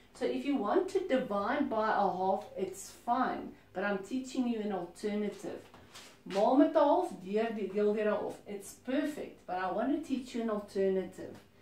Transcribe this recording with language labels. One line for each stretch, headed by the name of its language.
English: So if you want to divide by a half, it's fine. But I'm teaching you an alternative.
Afrikaans: Maal met a half, deel deur 'n half.
English: It's perfect. But I want to teach you an alternative.